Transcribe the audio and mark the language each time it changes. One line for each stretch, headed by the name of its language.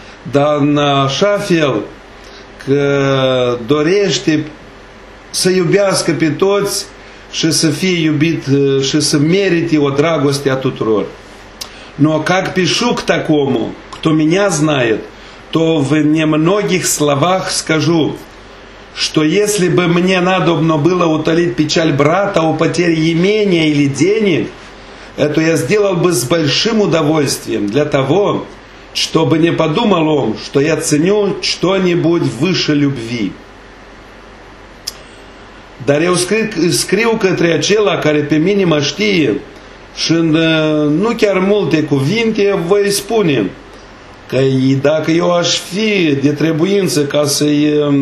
Romanian: Dar în așa fel că dorește să iubească pe toți și să fie iubit și să merite o dragoste a tuturor.
Russian: Но как пишу к такому, кто меня знает, то в немногих словах скажу, что если бы мне надобно было утолить печаль брата о потере имения или денег, это я сделал бы с большим удовольствием для того, чтобы не подумал он, что я ценю что-нибудь выше любви.
Romanian: Dar eu scriu către acela care pe mine mă știe, și nu chiar multe cuvinte voi spune că dacă eu aș fi de trebuință ca să-i